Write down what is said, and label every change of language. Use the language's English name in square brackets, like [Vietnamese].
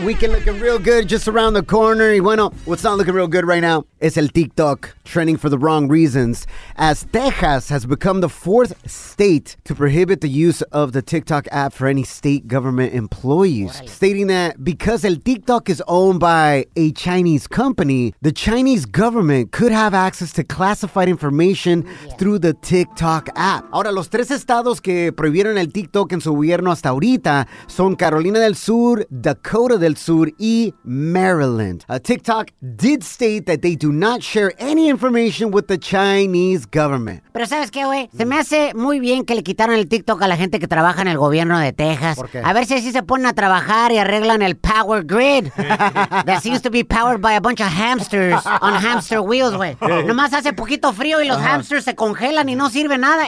[English] Weekend looking real good just around the corner. [Spanish] Y bueno, [English] what's not looking real good right now is el TikTok trending for the wrong reasons, as Texas has become the fourth state to prohibit the use of the TikTok app for any state government employees, right, stating that because el TikTok is owned by a Chinese company, the Chinese government could have access to classified information through the TikTok app. [Spanish] Ahora, los tres estados que prohibieron el TikTok en su gobierno hasta ahorita son Carolina del Sur, Dakota del Sur, y Maryland. [English] TikTok did state that they do not share any information with the Chinese government. [Spanish] Pero ¿sabes qué, güey? Se me hace muy bien que le quitaron el TikTok a la gente que trabaja en el gobierno de Texas. ¿Por qué? A ver si así se ponen a trabajar y arreglan el [English] power grid that seems to be powered by a bunch of hamsters on hamster wheels, [Spanish] güey. Nomás hace poquito frío y los hamsters se congelan y no sirve nada.